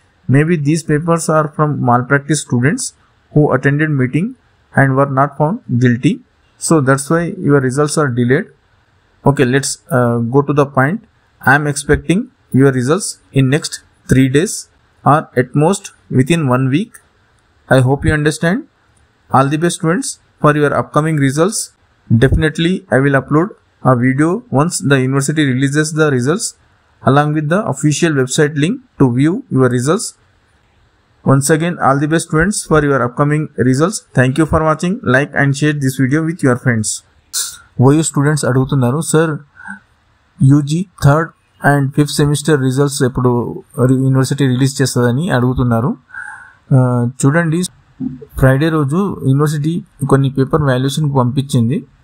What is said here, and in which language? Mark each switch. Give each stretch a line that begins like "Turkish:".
English: Maybe these papers are from malpractice students who attended meeting and were not found guilty. So that's why your result are delayed. Okay let's go to the point. I am expecting your result in next 3 days or at most within 1 week. I hope you understand. All the best students for your upcoming results. Definitely I will upload a video once the university releases the results along with the official website link to view your results. Once again, all the best students for your upcoming results. Thank you for watching. Like and share this video with your friends. Why you students
Telugu: adugutunnaru sir UG 3rd and fifth semester results ఎప్పుడు university release చేస్తుందని అడుగుతున్నారు. చూడండి, Friday రోజు university కొన్ని paper వాల్యుయేషన్కి పంపించింది.